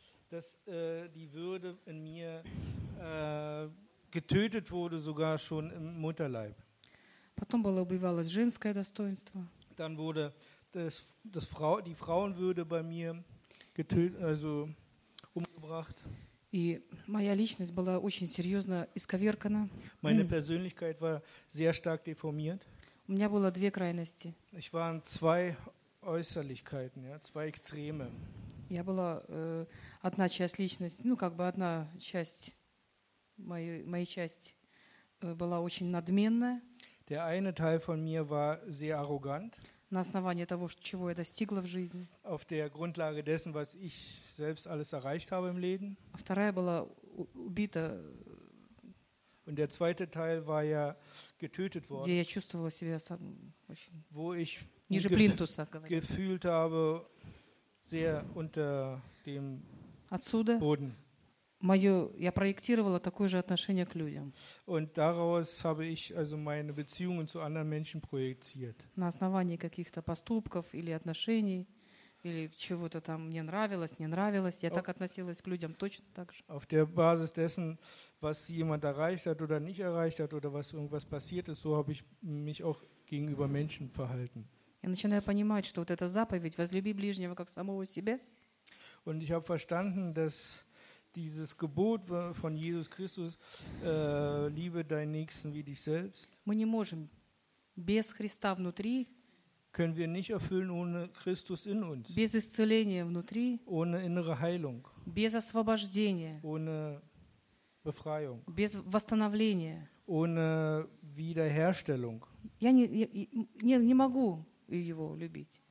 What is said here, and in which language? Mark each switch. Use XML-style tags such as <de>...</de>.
<de>Dass, die Würde in mir, getötet wurde sogar schon im Mutterleib.</de> <ru>Потом было убивалось женское достоинство.</ru> <de>Dann wurde das, das Frau, die Frauenwürde bei mir getötet, also umgebracht.</de> <ru>И моя личность была очень серьезно исковеркана.</ru> <de>Meine Persönlichkeit war sehr stark deformiert.</de> <ru>У меня было две крайности.</ru> <de>Ich war in zwei Äußerlichkeiten, ja, zwei Extreme.</de> <ru>Я была одна часть личности, ну как бы одна часть моей, моей части была очень надменная.</ru> <de>Der eine Teil von mir war sehr arrogant.</de> <ru>На основании того, чего я достигла в жизни.</ru> <de>Auf der Grundlage dessen, was ich selbst alles erreicht habe im Leben.</de> <ru>А вторая была убита.</ru> <de>Und der zweite Teil war ja getötet worden.</de> <ru>Где я чувствовала себя сам, очень.</ru> <de>Wo ich</de> <ru>ниже плинтуса,</ru> <de>gefühlt habe sehr unter dem</de> <ru>Отсюда</ru> <de>Boden.</de> <ru>Мое, я проектировала такое же отношение к людям.</ru> <de>Und daraus habe ich also meine Beziehungen zu anderen Menschen projiziert.</de> <ru>На основании каких-то поступков или отношений или чего-то там мне нравилось, не нравилось, я</ru> <de>auf,</de> <ru>так относилась к людям точно так же.</ru> <de>Auf der Basis dessen, was jemand erreicht hat oder nicht erreicht hat oder was irgendwas passiert ist, so habe ich mich auch gegenüber Menschen verhalten.</de> <ru>Я начинаю понимать, что вот эта заповедь «возлюби ближнего как самого себя».</ru> <de>Und ich habe verstanden, dass dieses Gebot von Jesus Christus, liebe deinen Nächsten wie dich selbst.</de> <ru>Мы не можем без Христа внутри.</ru> <de>Können wir nicht erfüllen ohne Christus in uns.</de> <ru>Без исцеления внутри.</ru> <de>Ohne innere Heilung.</de> <ru>Без освобождения.</ru> <de>Ohne Befreiung.</de> <ru>Без восстановления.</ru> <de>Ohne Wiederherstellung.</de> <ru>Я не могу его любить.</ru>